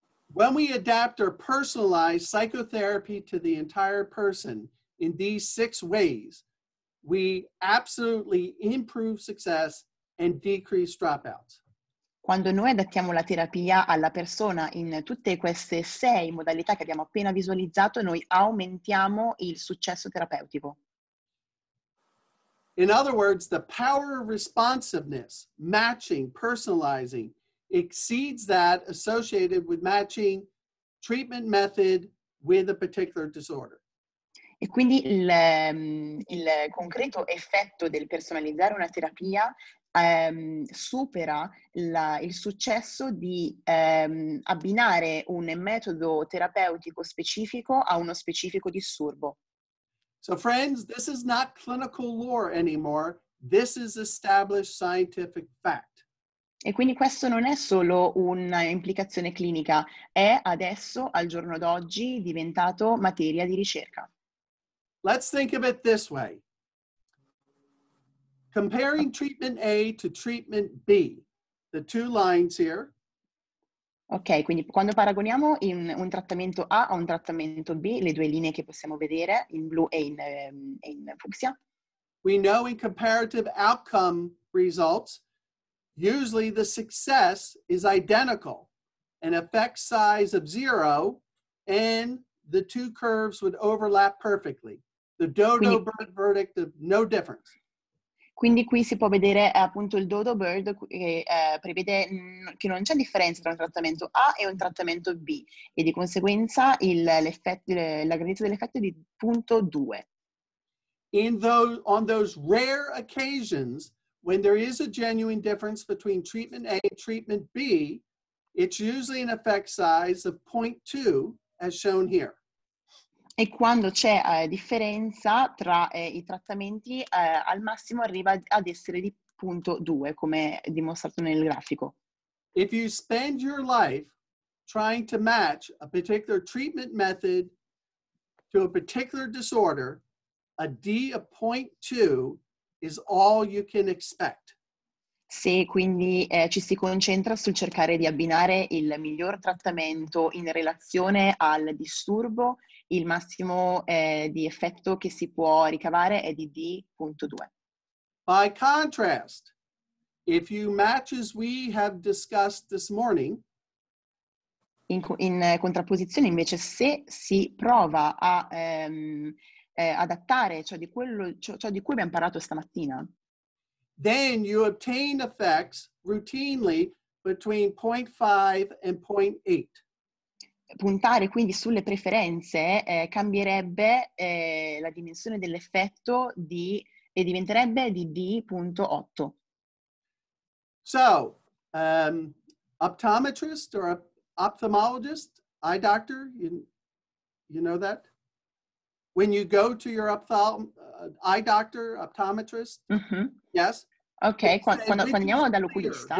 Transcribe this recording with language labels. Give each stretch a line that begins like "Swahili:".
English: When we adapt or personalize psychotherapy to the entire person in these 6 ways, we absolutely improve success and decrease dropouts.
Italian: Quando noi adattiamo la terapia alla persona in tutte queste 6 modalità che abbiamo appena visualizzato, noi aumentiamo il successo terapeutico.
English: In other words, the power of responsiveness, matching, personalizing, exceeds that associated with matching treatment method with a particular disorder.
Italian: E quindi il concreto effetto del personalizzare una terapia supera il successo di abbinare un metodo terapeutico specifico a uno specifico disturbo.
English: So friends, this is not clinical lore anymore. This is established scientific fact.
Italian: E quindi questo non è solo un'implicazione clinica, è adesso, al giorno d'oggi, diventato materia di ricerca.
English: Let's think of it this way. Comparing treatment A to treatment B, the 2 lines here.
Italian: Ok, quindi quando paragoniamo un trattamento A a un trattamento B, le due linee che possiamo vedere in blu e in fucsia.
English: We know in comparative outcome results, usually the success is identical. An effect size of zero and the two curves would overlap perfectly. The dodo bird verdict of no difference.
Italian: Quindi qui si può vedere appunto il dodo bird che prevede che non c'è differenza tra un trattamento A e un trattamento B e di conseguenza la grandezza dell'effetto è di 0.2.
English: On those rare occasions when there is a genuine difference between treatment A and treatment B, it's usually an effect size of 0.2 as shown here.
Italian: E quando c'è differenza tra i trattamenti, al massimo arriva ad essere di 0.2, come dimostrato nel grafico.
English: If you spend your life trying to match a particular treatment method to a particular disorder, a D of 0.2 is all you can expect.
Italian: Se quindi ci si concentra sul cercare di abbinare il miglior trattamento in relazione al disturbo, il massimo di effetto che si può ricavare è di D.2.
English: By contrast, if you match as we have discussed this morning,
Italian: in contrapposizione invece se si prova a adattare ciò di cui abbiamo parlato stamattina,
English: then you obtain effects routinely between 0.5 and 0.8.
Italian: Puntare quindi sulle preferenze cambierebbe la dimensione dell'effetto di e diventerebbe di D.8.
English: So, optometrist or ophthalmologist, eye doctor, you know that? When you go to your eye doctor, optometrist, mm-hmm. Yes?
Italian: Ok, quando andiamo dall'oculista.